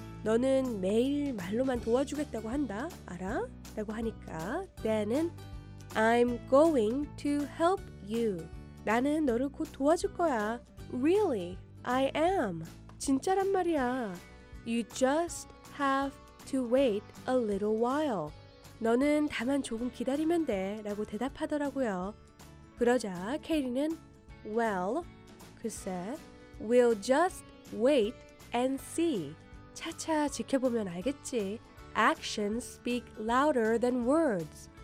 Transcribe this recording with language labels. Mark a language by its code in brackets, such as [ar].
[ko] 너는 매일 말로만 도와주겠다고 한다, 알아? 라고 하니까 댄은 [en] I'm going to help you. [ko] 나는 너를 곧 도와줄 거야. [en] Really, I am. [ko] 진짜란 말이야. [en] You just have to wait a little while. [ko] 너는 다만 조금 기다리면 돼 라고 대답하더라고요. 그러자 케이리는 [en] Well, [ko] 글쎄, [en] we'll just wait and see. [ko] 차차 지켜보면 알겠지. [en] Actions speak louder than words.